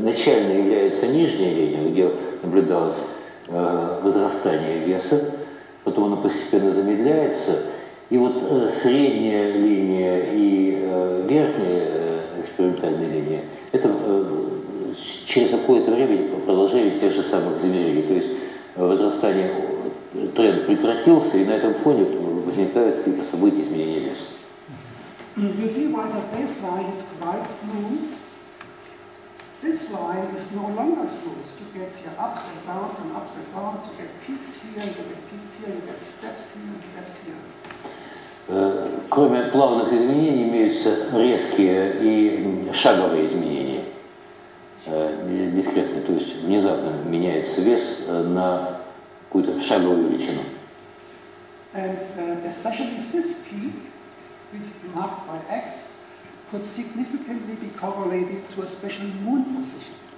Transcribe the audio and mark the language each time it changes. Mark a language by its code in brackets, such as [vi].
[ru] Начальная является нижняя линия, где наблюдалось возрастание веса, потом она постепенно замедляется, и вот средняя линия и верхняя экспериментальная линия, это через какое-то время продолжение тех же самых замерений, то есть возрастание, тренд прекратился, и на этом фоне возникают какие-то события изменения веса. [en] You see why the baseline is quite smooth. This line is no longer smooth. You get here ups and downs and ups and downs. You get peaks here, you get peaks here, you get steps here and steps here. [ru] Кроме плавных изменений имеются резкие и шаговые изменения, дискретные. То есть внезапно меняется вес на какую-то шаговую величину. [en] And especially this peak, which is marked by X, could significantly be correlated to a special moon position.